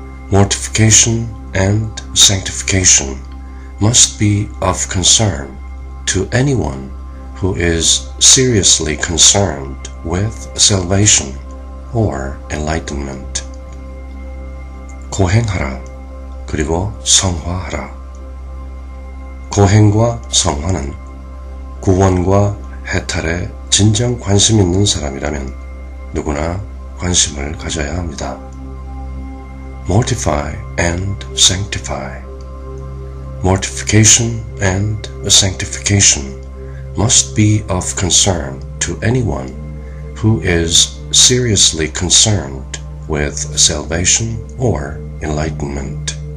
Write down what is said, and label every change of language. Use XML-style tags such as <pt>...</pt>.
<en>Mortification and sanctification must be of concern to anyone who is seriously concerned with salvation or enlightenment.</en> <ko>고행하라, 그리고 성화하라. 고행과 성화는 구원과 해탈에 진정 관심 있는 사람이라면 누구나 관심을 가져야 합니다.</ko> <en>Mortify and sanctify. Mortification and sanctification must be of concern to anyone who is seriously concerned with salvation or enlightenment.</en>